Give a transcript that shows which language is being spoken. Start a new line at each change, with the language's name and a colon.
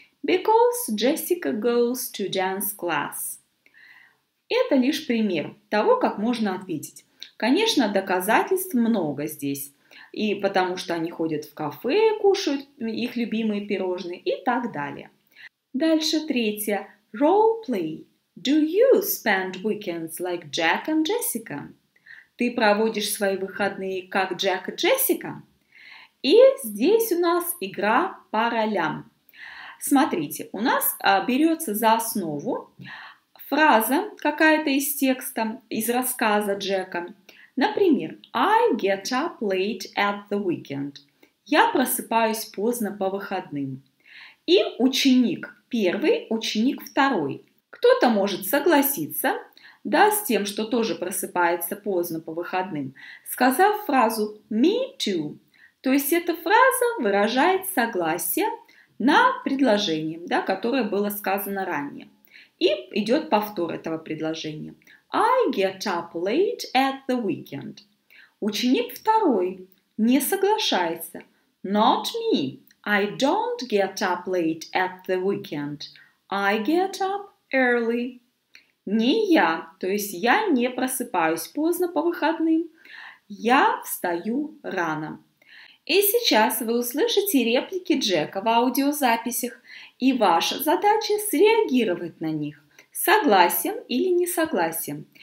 English: Because Jessica goes to dance class.
Russian: Это лишь пример того, как можно ответить. Конечно, доказательств много здесь. И потому что они ходят в кафе, кушают их любимые пирожные и так далее. Дальше третье. Role play.
English: Do you spend weekends like Jack and Jessica?
Russian: Ты проводишь свои выходные, как Джек и Джессика? И здесь у нас игра по ролям. Смотрите, у нас берется за основу фраза какая-то из текста, из рассказа Джека. Например,
English: I get up late at the weekend.
Russian: Я просыпаюсь поздно по выходным. И ученик первый, ученик второй. Кто-то может согласиться, да, с тем, что тоже просыпается поздно по выходным, сказав фразу
English: «me too».
Russian: То есть эта фраза выражает согласие на предложение, да, которое было сказано ранее. И идет повтор этого предложения.
English: «I get up late at the weekend».
Russian: Ученик второй не соглашается.
English: «Not me. I don't get up late at the weekend. I get up early».
Russian: Не я, то есть я не просыпаюсь поздно по выходным, я встаю рано. И сейчас вы услышите реплики Джека в аудиозаписях, и ваша задача среагировать на них, согласен или не согласен.